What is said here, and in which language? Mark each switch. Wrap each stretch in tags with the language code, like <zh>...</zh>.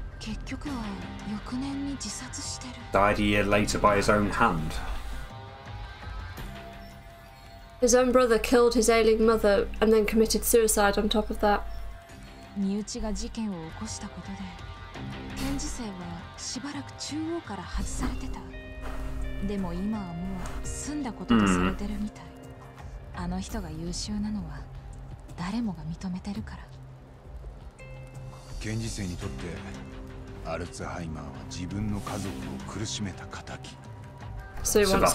<ja>事件の後どうなった？ああ、母親を殺した後、自分も首を吊ったが未遂に終わった。その成果執行猶予がついて。じゃあ今は？でも結局は翌年に自殺してる。</ja> <en>Died a year later by his own hand. His own brother killed his ailing mother and then committed suicide on top of that.</en> <ja>ニューチが事件を起こしたことで、検事生はしばらく中央から外されてた。でも今はもう済んだこととされてるみたい。あの人が優秀なのは誰もが認めてるから。検事生にとって、アルツハイマーは自分の家族を苦しめた仇。</ja>